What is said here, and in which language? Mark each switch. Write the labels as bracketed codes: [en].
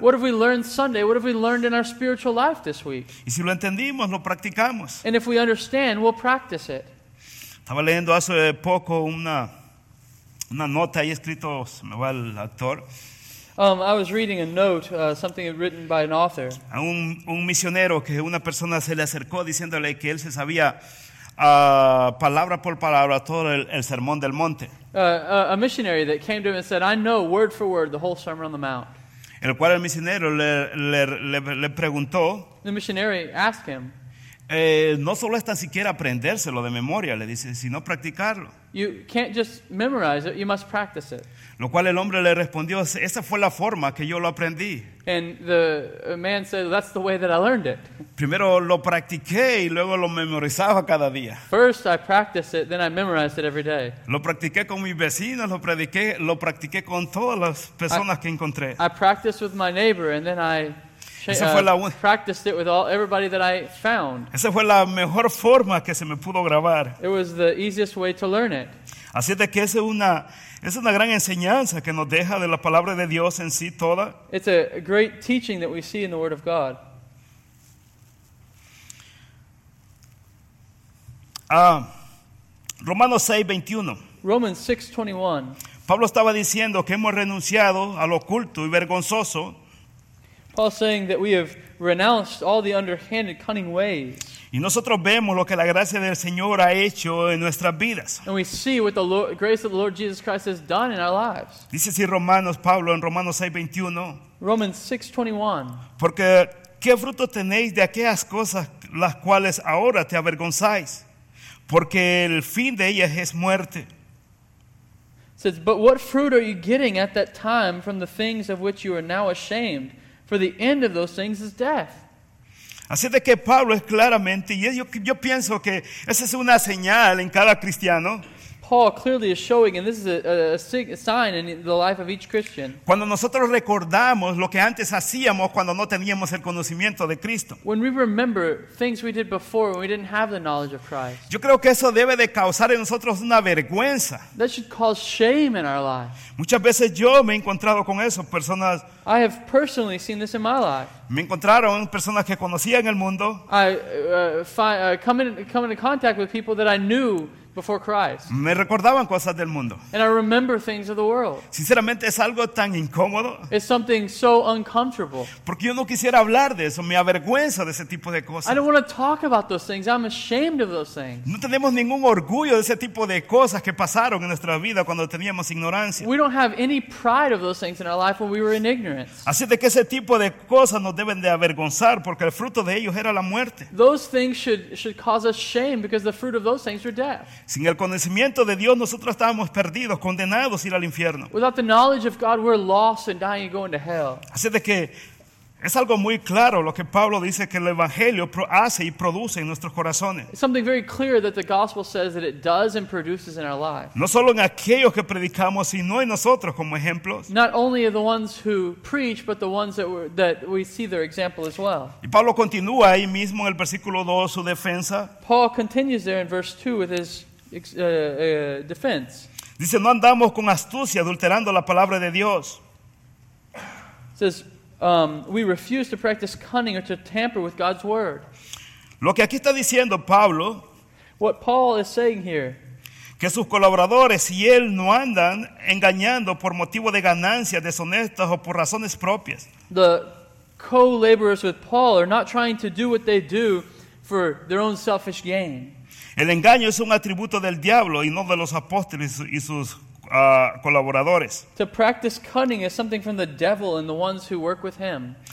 [en] What have we learned Sunday? What have we learned in our spiritual life this week? [es] Y si lo entendimos, lo practicamos. [en] And if we understand, we'll practice it. [es] Estaba leyendo hace poco una nota ahí escrito, se me va el actor. [en] I was reading a note, something written by an author. [es] A un misionero que una persona se le acercó diciéndole que él se sabía palabra por palabra todo el sermón del monte. [en] A missionary that came to him and said, I know word for word the whole sermon on the mount. [es] El cual el misionero le preguntó. [en] The missionary asked him. [es] No solo es tan siquiera aprendérselo de memoria, le dice, sino practicarlo. [en] You can't just memorize it, you must practice it. [es] Lo cual el hombre le respondió, esa fue la forma que yo lo aprendí. [en] And the man said, that's the way that I learned it. [es] Primero lo practiqué y luego lo memorizaba cada día. [en] First I practiced it, then I memorized it every day. [es] Lo practiqué con mis vecinos, lo practiqué con todas las personas que encontré. [en] I practiced with my neighbor and then I practiced it with everybody that I found. [es] Esa fue la mejor forma que se me pudo grabar. [en] It was the easiest way to learn it. [es] Así de que es una gran enseñanza que nos deja de la palabra de Dios en sí toda. [en] It's a great teaching that we see in the Word of God. [es] Romanos 6:21. [en] Romans 6:21. [es] Pablo estaba diciendo que hemos renunciado a lo oculto y vergonzoso. [en] Paul saying that we have renounced all the underhanded, cunning ways. [es] Y nosotros vemos lo que la gracia del Señor ha hecho en nuestras vidas. [en] And we see what the Lord, grace of the Lord Jesus Christ has done in our lives. [es] Dice así Romanos, Pablo, en Romanos 6:21. [en] Romans 6:21. [es] Porque, ¿qué fruto tenéis de aquellas cosas las cuales ahora te avergonzáis? Porque el fin de ellas es muerte. [en] It says, but what fruit are you getting at that time from the things of which you are now ashamed? For the end of those things is death. [es] Así de que Pablo es claramente, y yo pienso que esa es una señal en cada cristiano. [en] Paul clearly is showing, and this is a sign in the life of each Christian. [es] Cuando nosotros recordamos lo que antes hacíamos cuando no teníamos el conocimiento de Cristo. [en] When we remember things we did before when we didn't have the knowledge of Christ. [es] Yo creo que eso debe de causar en nosotros una vergüenza. [en] That should cause shame in our life. [es] Muchas veces yo me he encontrado con eso, personas. [en] I have personally seen this in my life. [es] Me encontraron personas que conocía en el mundo. [en] I come in contact with people that I knew before Christ. [es] Me recordaban cosas del mundo. [en] And I remember things of the world. [es] Sinceramente, es algo tan incómodo. [en] It's something so uncomfortable. [es] Porque yo no quisiera hablar de eso. Me avergüenza de ese tipo de cosas. [en] I don't want to talk about those things. I'm ashamed of those things. [es] No tenemos ningún orgullo de ese tipo de cosas que pasaron en nuestra vida cuando teníamos ignorancia. [en] We don't have any pride of those things in our life when we were in ignorance. [es] Así de que ese tipo de cosas nos deben de avergonzar porque el fruto de ellos era la muerte. [en] Those things should cause us shame because the fruit of those things were death. [es] Sin el conocimiento de Dios, nosotros estábamos perdidos, condenados a ir al infierno. [en] Without the knowledge of God, we're lost and dying and going to hell. [es] Así de que es algo muy claro lo que Pablo dice que el Evangelio hace y produce en nuestros corazones. [en] It's something very clear that the gospel says that it does and produces in our lives. [es] No solo en aquellos que predicamos, sino en nosotros como ejemplos. [en] Not only the ones who preach, but the ones that we see their example as well. [es] Y Pablo continúa ahí mismo en el versículo 2 su defensa. [en] Paul continues there in verse 2 with his defense. [es] Dice, no andamos con astucia adulterando la palabra de Dios. [en] Says, we refuse to practice cunning or to tamper with God's word. [es] Lo que aquí está diciendo Pablo, [en] what Paul is saying here, [es] que sus colaboradores y él no andan engañando por motivo de ganancias deshonestas o por razones propias. [en] The co-laborers with Paul are not trying to do what they do for their own selfish gain. [es] El engaño es un atributo del diablo y no de los apóstoles y sus colaboradores. [en] To practice cunning is something from the devil and the ones who work with him.